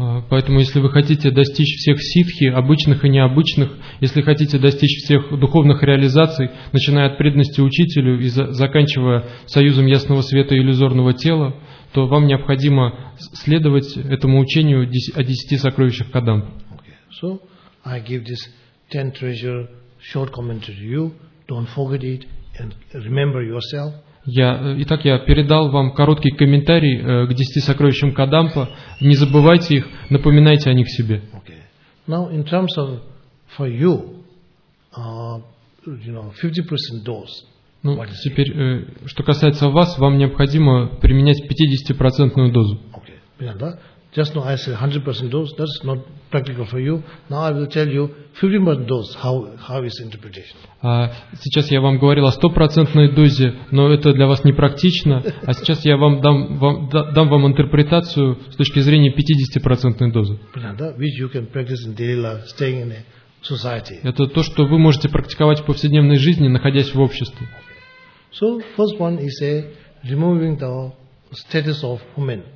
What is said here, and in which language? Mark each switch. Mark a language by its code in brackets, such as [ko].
[ru] Поэтому, если вы хотите достичь всех ситхи, обычных и необычных, если хотите достичь всех духовных реализаций, начиная от преданности учителю и заканчивая союзом ясного света и иллюзорного тела, то вам необходимо следовать этому учению о десяти сокровищах Кадамбы. [en] Okay. So, I give this ten treasure short commentary to you. Don't forget it and remember yourself. [ru] Итак, я передал вам короткий комментарий к десяти сокровищам Кадампа. Не забывайте их, напоминайте о них себе. [en] Okay. Now, in terms of for you, 50% dose. [ru] Ну, теперь, что касается вас, вам необходимо применять 50% дозу. [en] Okay. Yeah, just now I said 100% dose, that's not practical for you. Now I will tell you 50% dose, how is interpretation. [ru] Сейчас я вам говорил о 100% дозе, но это для вас не практично. А сейчас я вам дам вам интерпретацию с точки зрения 50% дозы. [en] Which you can practice in daily life, staying in a society. [ru] Это то, что вы можете практиковать в повседневной жизни, находясь в обществе. [en] So, first one is a removing the status of woman.